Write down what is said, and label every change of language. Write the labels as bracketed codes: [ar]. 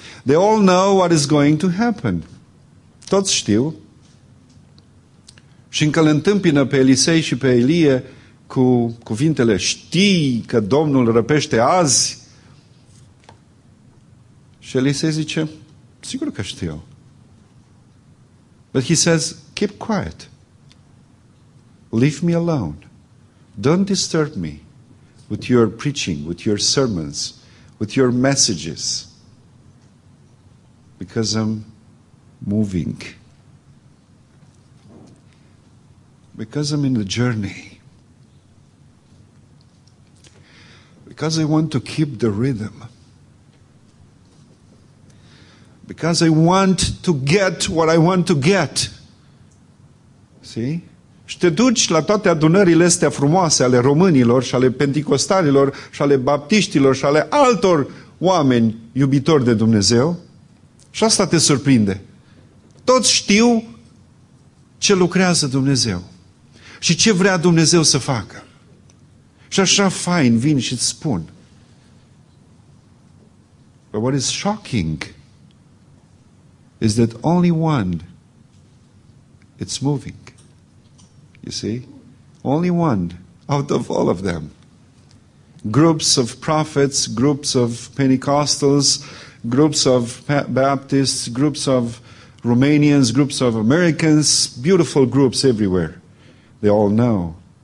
[en] They all know what is going to happen. [ro] Toți știu. Și încă îl întâmpină pe Elisei și pe Elie cu cuvintele: știi că Domnul răpește azi? Și Elisei zice: sigur că știu. [en] But he says, keep quiet. Leave me alone. Don't disturb me with your preaching, with your sermons, with your messages. Because I'm moving. Because I'm in the journey. Because I want to keep the rhythm. Because I want to get what I want to get. See? [ro] Și te duci la toate adunările astea frumoase ale românilor și ale penticostalilor și ale baptiștilor și ale altor oameni iubitori de Dumnezeu. Și asta te surprinde. Toți știu ce lucrează Dumnezeu și ce vrea Dumnezeu să facă. Și așa fain vin și îți spun. [en] But what is shocking is that only one it's moving. You see? Only one out of all of them. Groups of prophets, groups of Pentecostals, groups of Baptists, groups of Romanians, groups of Americans, beautiful groups everywhere. They all know.